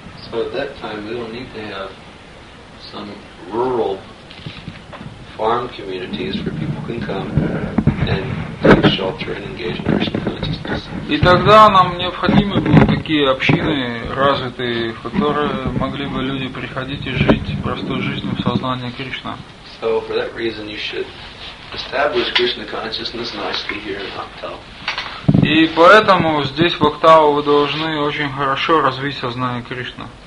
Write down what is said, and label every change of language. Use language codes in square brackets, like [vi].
[en] So at that time we will need to have some rural farm communities where people can come and take shelter and engage in Krishna consciousness. [ru] И тогда нам необходимы были такие общины развитые, в которые могли бы люди приходить и жить простой жизнью в сознании Кришна. [en] So for that reason you should establish Krishna consciousness nicely here in Uptown. [ru] И поэтому здесь в октаву вы должны очень хорошо развить сознание Кришны.